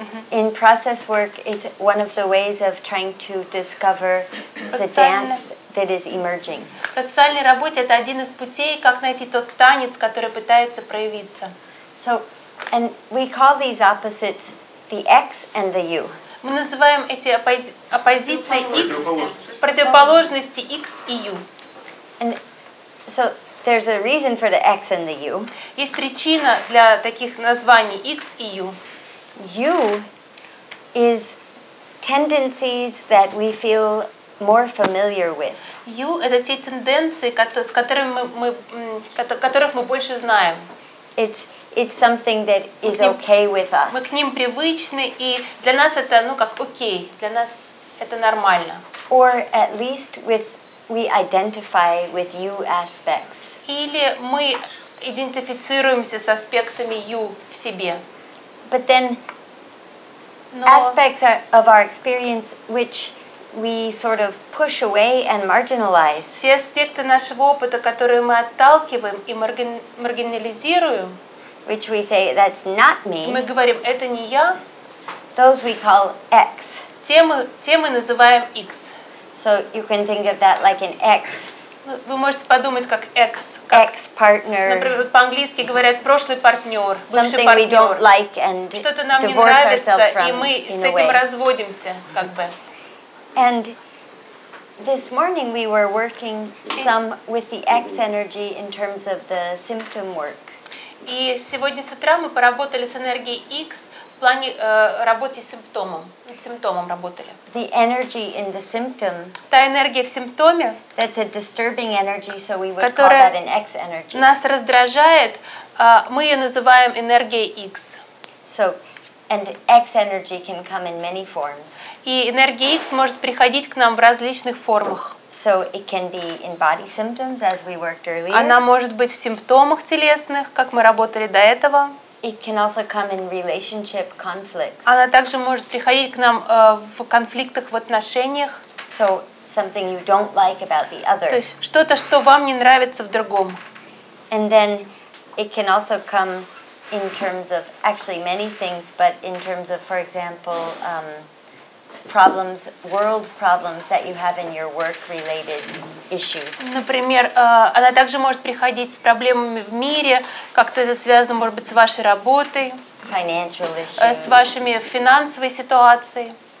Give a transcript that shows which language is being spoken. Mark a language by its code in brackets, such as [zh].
[en] In process work, it's one of the ways of trying to discover the dance that is emerging. [ru] В процессуальной работе это один из путей, как найти тот танец, который пытается проявиться. [en] So, and we call these opposites the X and the U. [ru] Мы называем эти оппозиции X, противоположности X и U. [en] And so there's a reason for the X and the U. [ru] Есть причина для таких названий X и U. [en] U is tendencies that we feel more familiar with. [ru] U это те тенденции, которых мы больше знаем. [en] It's something that is okay with us. [ru] Мы к ним привычны, и для нас это, ну, как окей, для нас это нормально. [en] Or at least we identify with U aspects. [ru] Или мы идентифицируемся с аспектами U в себе. [en] But then aspects of our experience which we sort of push away and marginalize. [ru] Те аспекты нашего опыта, которые мы отталкиваем и маргинализируем. [en] Which we say that's not me. [ru] Мы говорим это не я. [en] Those we call X. [ru] Те мы называем X. [en] So you can think of that like an X. [ru] Вы можете подумать как X. [en] X partner. [ru] Например, по-английски говорят прошлый партнер, бывший [en] partner. Something we don't like and [ru] что-то нам не нравится и мы с этим разводимся как бы. [en] And this morning we were working some with the X energy in terms of the symptom work. [ru] И сегодня с утра мы поработали с энергией X в плане работы с симптомом. С симптомом работали. [en] The energy in the symptom. [ru] Та энергия в симптоме. [en] That's a disturbing energy, so we would call that an X energy. [ru] Нас раздражает, мы ее называем энергией X. [en] So, and X energy can come in many forms. [ru] И энергия X может приходить к нам в различных формах. [en] So it can be in body symptoms, as we worked earlier. [ru] Она может быть в симптомах телесных, как мы работали до этого. [en] It can also come in relationship conflicts. [ru] Она также может приходить к нам в конфликтах в отношениях. [en] So something you don't like about the other. [ru] То есть что-то, что вам не нравится в другом. [en] And then it can also come in terms of actually many things, but in terms of, for example, problems, world problems that you have in your work-related issues. [ru] Например, она также может приходить с проблемами в мире, как-то это связано, может быть, с вашей работой. [en] Financial issues. [ru] С вашими финансовой ситуацией.